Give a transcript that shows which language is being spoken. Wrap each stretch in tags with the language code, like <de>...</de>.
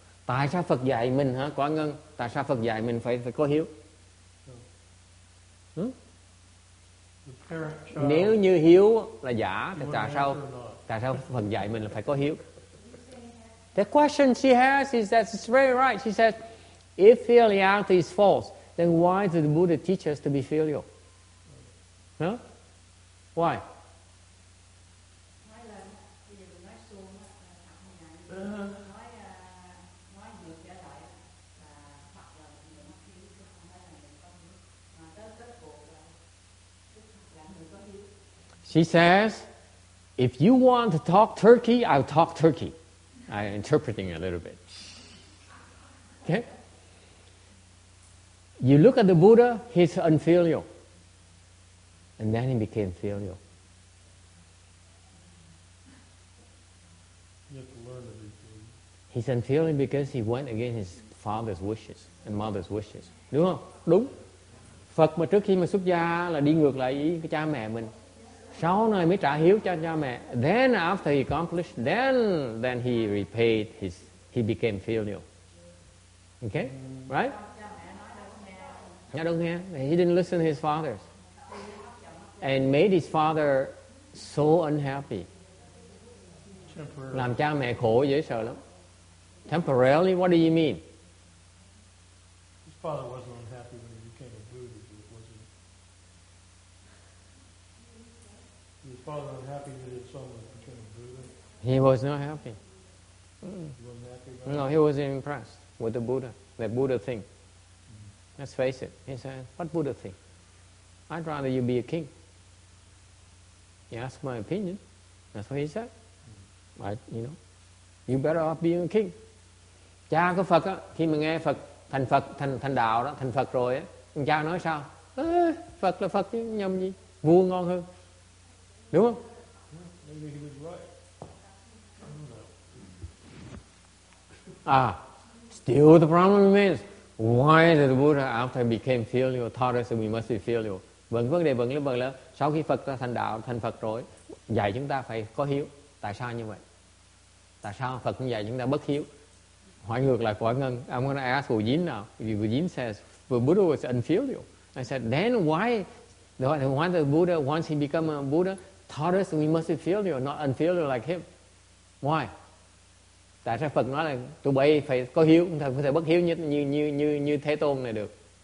<vi>Tại sao Phật dạy mình hả, Quả Ngân? Tại sao Phật dạy mình phải có hiếu? Huh? Nếu như hiếu là giả, thì tại sao Phật dạy mình là phải có hiếu?</vi> <en>The question she has is that it's very right. She says, if filiality is false, then why does the Buddha teach us to be filial? Huh? Why? She says, if you want to talk turkey, I'll talk turkey. I'm interpreting a little bit. Okay? You look at the Buddha, he's unfilial. And then he became filial. You have to learn everything. He's unfilial because he went against his father's wishes and mother's wishes.</en> <vi>Đúng không? Đúng. Phật mà trước khi mà xuất gia là đi ngược lại ý cha mẹ mình. Sau này mới trả hiếu cho cha mẹ.</vi> <en>Then after he accomplished, then he repaid his, he became filial. Okay? Right?</en> <vi>Nghe đâu nghe?</vi> <en>He didn't listen to his father. And made his father so unhappy.</en> <vi>Làm cha mẹ khổ dễ sợ lắm.</vi> <en>Temporarily, what do you mean? His father wasn't unhappy when he became a Buddha, was he? He was not happy. He wasn't happy. No, he wasn't impressed with the Buddha, that Buddha thing. Mm. Let's face it. He said, what Buddha thing? I'd rather you be a king. He asked my opinion. That's what he said. Mm. I, you know, you better off being a king.</en> <vi>Cha của Phật, khi mà nghe Phật, thành đạo đó, thành Phật rồi, cha nói sao? Phật là Phật, nhầm gì? Vua ngon hơn. Đúng không?</vi> <en>Maybe he was right. Ah, still the problem remains. Why did the Buddha, after he became filial, taught us that we must be filial?</en> <vi>Vấn đề vẫn là sau khi Phật đã thành đạo, thành Phật rồi, dạy chúng ta phải có hiếu. Tại sao như vậy? Tại sao Phật cũng dạy chúng ta bất hiếu? Hỏi ngược lại Quả Ngân.</vi> <en>I'm going to ask Hồ Dín now. Hồ Dín says, the Buddha was unfilial. I said, then why? Why the Buddha, once he became a Buddha, taught us we must be filial, not unfilial like him. Why?</en> <vi>Tại sao Phật nói là tụi bay phải có hiếu, không thể bất hiếu như Thế Tôn này được?</vi>